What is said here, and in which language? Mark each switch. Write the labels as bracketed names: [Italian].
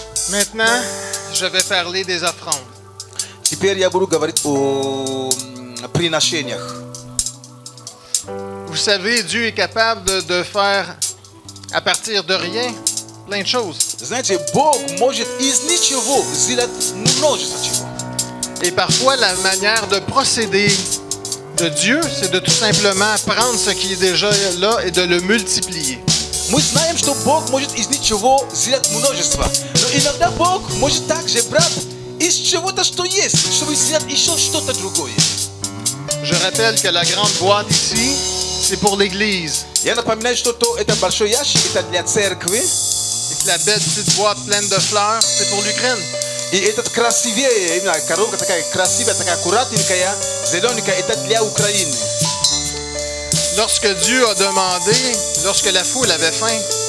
[French] Maintenant, je vais parler des offrandes. [Russian] Теперь я буду говорить о приношениях. [French] Vous savez, Dieu est capable de faire à partir de rien plein de choses. [Russian] Знаете, Бог может из ничего сделать множество чего. [French] Et parfois, la manière de procéder de Dieu, c'est de tout simplement prendre ce qui est déjà là et de le multiplier. [Russian] Мы знаем, что Бог может из ничего сделать множество. Но иногда Бог может также брать из чего-то, что есть, чтобы сделать еще что-то другое. [French] Je rappelle que la grande boîte ici, c'est pour l'église. [Russian] Я напоминаю, что то это большой ящик, это для церкви. [French] Et que la belle petite boîte pleine de fleurs, c'est pour l'Ukraine. [Russian] И этот красивее, именно коробка такая красивая, такая аккуратненькая, зелененькая, это для Украины. [French] Lorsque Dieu a demandé, lorsque la foule avait faim,